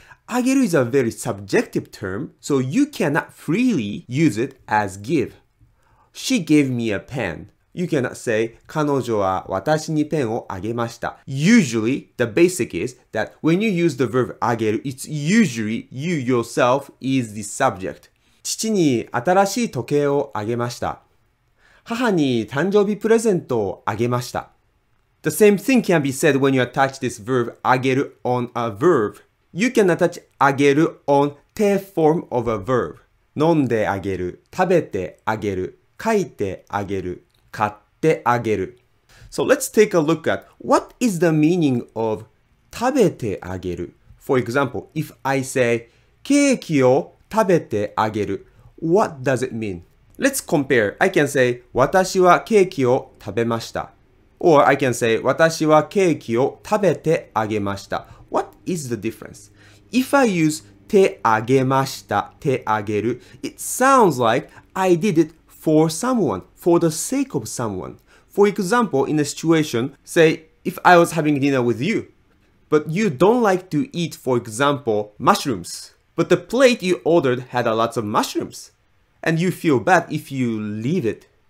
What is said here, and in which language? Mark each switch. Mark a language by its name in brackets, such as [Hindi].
[English] あげる is a very subjective term, so you cannot freely use it as give. She gave me a pen. You cannot say, [Japanese] 彼女は私にペンをあげました。 [English] Usually, the basic is that when you use the verb あげる, it's usually you yourself is the subject. [Japanese] 父に新しい時計をあげました。母に誕生日プレゼントをあげました。 [English] The same thing can be said when you attach this verb あげる on a verb. You can attach あげる on te form of a verb. [Japanese] 飲んであげる、食べてあげる、書いてあげる。買ってあげる。 [English] So let's take a look at what is the meaning of [Japanese] 食べてあげる。 [English] For example, if I say [Japanese] ケーキを食べてあげる、 [English] what does it mean? Let's compare. I can say [Japanese] 私はケーキを食べました。 [English] Or I can say [Japanese] 私はケーキを食べてあげました。 [English] What is the difference? If I use [Japanese] 手あげました、手あげる、 [English] it sounds like I did itFor someone, for the sake of someone. For example, in a situation, say, if I was having dinner with you, but you don't like to eat, for example, mushrooms, but the plate you ordered had a lot of mushrooms, and you feel bad if you leave it.